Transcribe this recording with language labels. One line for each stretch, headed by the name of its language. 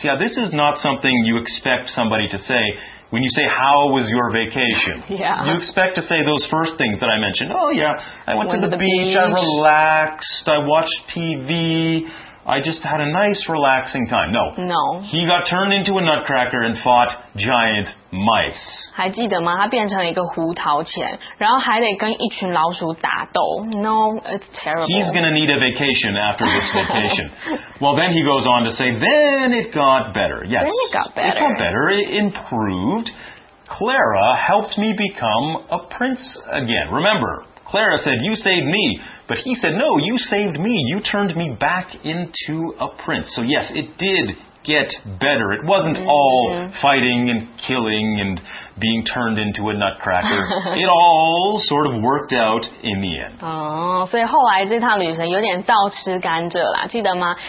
English: Yeah, this is not something you expect somebody to say when you say, how was your vacation? Yeah. You expect to say those first things that I mentioned. Oh, yeah, I went to the beach. Beach, I relaxed, I watched TV, I just had a nice relaxing time. No. No. He got turned into a nutcracker and fought giant mice.
Chinese: 还记得吗？他变成了一个胡桃钳，然后还得跟一群老鼠打斗。
English: No, it's terrible. He's going to need a vacation after this vacation. Well, then he goes on to say, then it got better. Yes. Then it got better. It got better. It improved. Clara helped me become a prince again. Remember, Clara said, you saved me. But he said, no, you saved me. You turned me back into a prince. So yes, it did. Get better. It wasn't all fighting and killing and being turned into a nutcracker. It all sort of worked out in the end.
Chinese: 所以后来这趟旅程有点倒吃甘蔗啦，记得吗？